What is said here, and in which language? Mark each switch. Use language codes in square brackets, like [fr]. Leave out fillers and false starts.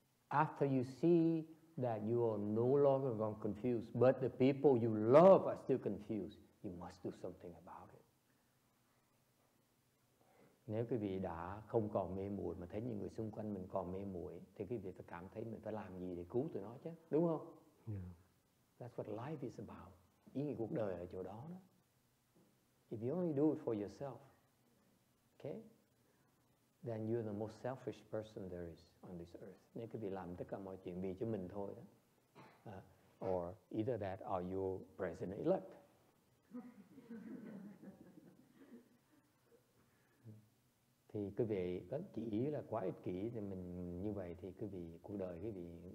[en] After you see that you are no longer going to confuse, but the people you love are still confused, you must do something about it. [vi] Nếu quý vị đã không còn mê muội mà thấy những người xung quanh mình còn mê muội, thì quý vị phải cảm thấy mình phải làm gì để cứu tụi nó chứ, đúng không? [en] Yeah. That's what life is about. [vi] Ý nghĩa cuộc đời ở chỗ đó. [en] If you only do it for yourself, okay, then you're the most selfish person there is on this earth. [vi] Nếu quý vị làm tất cả mọi chuyện vì cho mình thôi đó. [en] Or either that or you're president-elect. [vi] Thì quý vị chỉ là quá ích kỷ thì mình như vậy thì quý vị cuộc đời quý vị